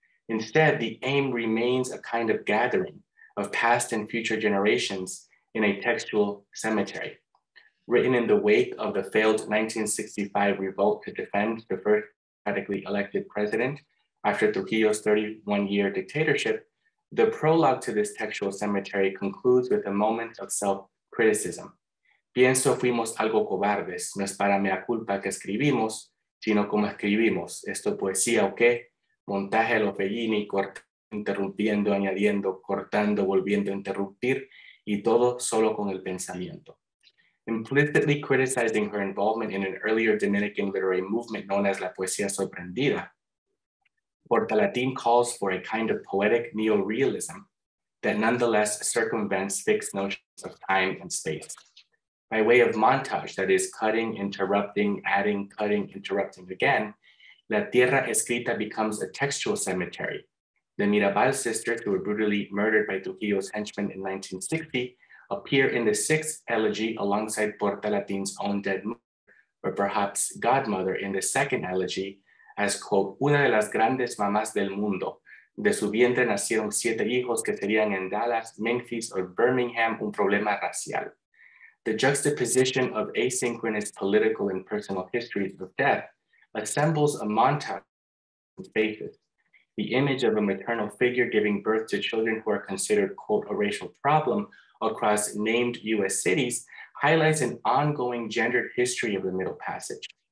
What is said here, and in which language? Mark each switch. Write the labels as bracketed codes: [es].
[en] Instead, the aim remains a kind of gathering of past and future generations in a textual cemetery. Written in the wake of the failed 1965 revolt to defend the first democratically elected president after Trujillo's 31-year dictatorship, the prologue to this textual cemetery concludes with a moment of self-criticism. [es] Pienso fuimos algo cobardes, no es para mea culpa que escribimos, sino como escribimos. Esto poesía o qué, montaje lo fellini, corta. Interrumpiendo, añadiendo, cortando, volviendo a interrumpir, y todo solo con el pensamiento. [en] implicitly criticizing her involvement in an earlier Dominican literary movement known as La Poesía Sorprendida. Portalatin calls for a kind of poetic neorealism that nonetheless circumvents fixed notions of time and space. By way of montage, that is cutting, interrupting, adding, cutting, interrupting again, La Tierra Escrita becomes a textual cemetery. The Mirabal sisters, who were brutally murdered by Trujillo's henchmen in 1960, appear in the sixth elegy alongside Portalatin's own dead mother, or perhaps godmother in the second elegy, as, quote, [es] una de las grandes mamás del mundo. De su vientre nacieron siete hijos que serían en Dallas, Memphis, [en] or [es] Birmingham un problema racial. [en] The juxtaposition of asynchronous political and personal histories of death assembles a montage of faces. The image of a maternal figure giving birth to children who are considered, quote, a racial problem across named US cities highlights an ongoing gendered history of the Middle Passage.